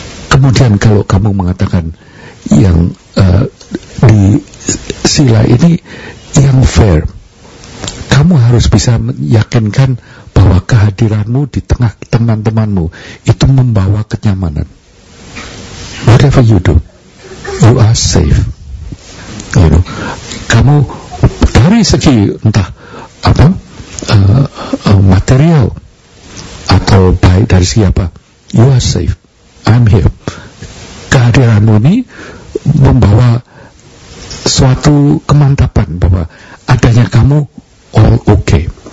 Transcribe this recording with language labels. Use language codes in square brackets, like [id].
[id] Kemudian kalau kamu mengatakan yang di sila ini yang fair, kamu harus bisa meyakinkan bahwa kehadiranmu di tengah teman-temanmu itu membawa kenyamanan. [en] Whatever you do, you are safe. You know, [id] kamu dari segi entah apa material atau baik dari siapa, [en] you are safe. I'm here. [id] Kehadiranmu ini membawa suatu kemantapan bahwa adanya kamu [en] all okay.